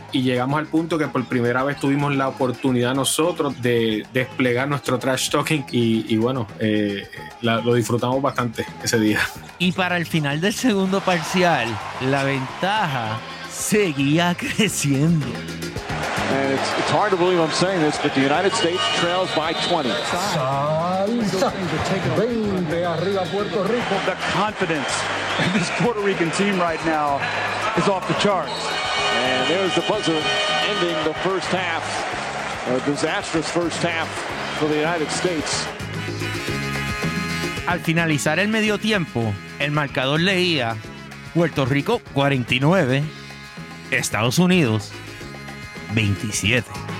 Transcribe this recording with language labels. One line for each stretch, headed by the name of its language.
Spanish: Y llegamos al punto que por primera vez tuvimos la oportunidad nosotros de desplegar nuestro trash talking y bueno, lo disfrutamos bastante ese día. Y para el final del segundo parcial, la ventaja seguía creciendo.
English: And it's hard to believe I'm saying this, but the United States trails by 20.
Spanish: Salsa. Vende arriba Puerto Rico.
English: The confidence in this Puerto Rican team right now is off the charts. And there's the buzzer ending the first half. A disastrous first half for the United States.
Spanish: Al finalizar el medio tiempo, el marcador leía Puerto Rico 49, Estados Unidos 27.